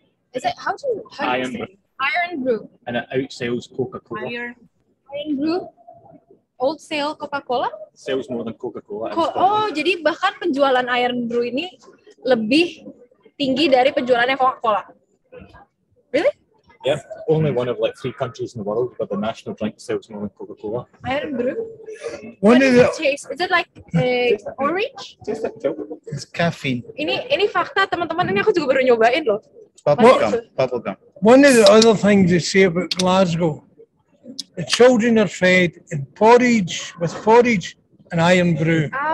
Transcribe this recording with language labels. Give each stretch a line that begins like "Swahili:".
English: Is it how do you say? Iron Brew. Iron Brew. And an Old Sail Coca-Cola. Iron Brew. Old Sail Coca-Cola? Sales more than Coca-Cola.
Indonesian: Jadi bahkan penjualan Iron Brew ini lebih tinggi dari penjualannya Coca-Cola.
English: Really? Yeah, only one of like 3 countries in the world but the national drink sells more than Coca-Cola. Iron Brew. What is it? Is it like orange? It's caffeine.
Indonesian: Ini fakta teman-teman, ini aku juga baru nyobain loh.
English: Bubble gum. One of the other things they say about Glasgow, the children are fed in porridge with porridge and Iron Brew.